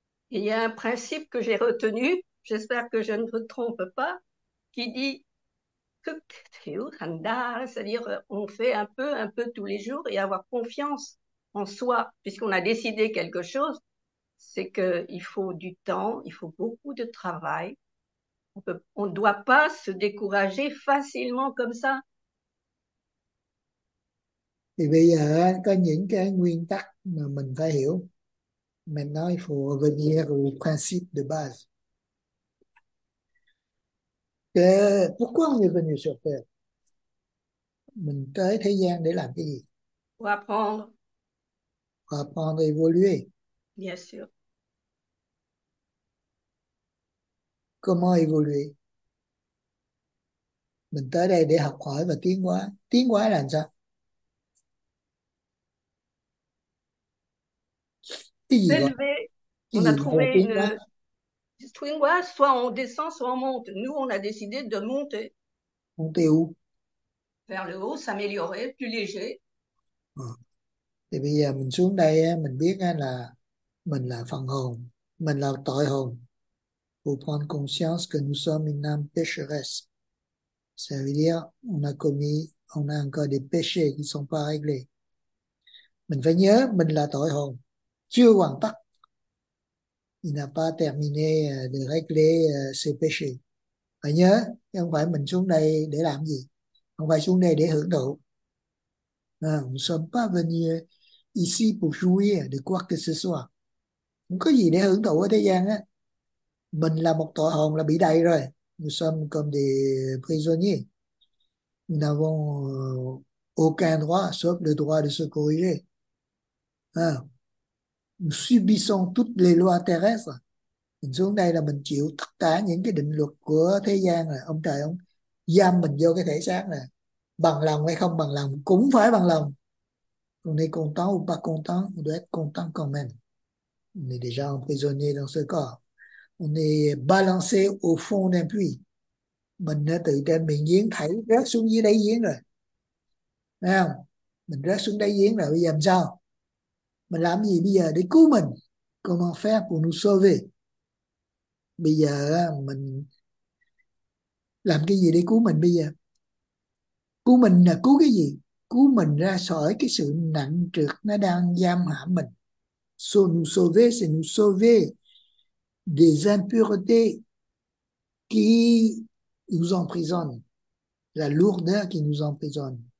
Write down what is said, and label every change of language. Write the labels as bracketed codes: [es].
[fr] Il y a un principe que j'ai retenu, j'espère que je ne me trompe pas, qui dit cook to handa, c'est-à-dire on fait un peu tous les jours et avoir confiance en soi, puisqu'on a décidé quelque chose, c'est qu'il faut du temps, il faut beaucoup de travail. On ne doit pas se décourager facilement comme ça. [vi] Thì bây giờ có những cái nguyên tắc mà mình phải hiểu. Mình nói phù [fr] venir au principe de base. Thế, pourquoi on est venu sur Terre? [vi] Mình tới thế gian để làm cái gì? [fr] Pour apprendre, Pour apprendre à évoluer. bien sûr. Comment évoluer? [vi] Mình tới đây để học hỏi và tiến hóa. Tiến hóa là sao? Cái gì gọi [fr] S'élever, on a [vi] cái gì [fr] trouvé [vi] gọi [fr] une swing, soit on descend, soit on monte. Nous, on a décidé de monter [vi] tiến hóa où [fr] vers le haut, s'améliorer, plus léger. à. [vi] Thì bây giờ mình xuống đây mình biết là mình là phần hồn, mình là tội hồn. [fr] Pour prendre conscience que nous sommes une âme pécheresse, ça veut dire on a encore des péchés qui sont pas réglés. [vi] Mình phải nhớ mình là tội hồn chưa hoàn tất, [fr] il n'a pas terminé de régler ses péchés. [vi] Phải nhớ, không phải mình xuống đây để làm gì, không phải xuống đây để hưởng thụ. [fr] Nous ne sommes pas venus ici pour jouir de quoi que ce soit. [vi] Không có gì để hưởng thụ ở thế gian á. Mình là một tội hồn là bị đầy rồi. [fr] Nous sommes comme des prisonniers. Nous n'avons aucun droit, sauf le droit de se corriger. Nous subissons toutes les lois terrestres. [vi] Mình xuống đây là mình chịu tất cả những cái định luật của thế gian rồi. Ông trời ông giam mình vô cái thể xác này. Bằng lòng hay không bằng lòng cũng phải bằng lòng. [fr] On est content ou pas content, on doit être content quand même. On est déjà emprisonné dans ce corps. On est balancé au fond d'un puits. [vi] Mình từ trên miệng giếng thảy rớt xuống dưới đáy giếng rồi. Thấy không? Mình rớt xuống đáy giếng rồi, bây giờ làm sao? Mình làm gì bây giờ để cứu mình? [fr] Comment faire pour nous sauver? [vi] Bây giờ mình làm cái gì để cứu mình bây giờ? Cứu mình là cứu cái gì? Cứu mình ra khỏi cái sự nặng trược nó đang giam hãm mình. [fr] So nous sauver, c'est nous sauver des impuretés qui nous emprisonnent. La lourdeur qui nous emprisonne.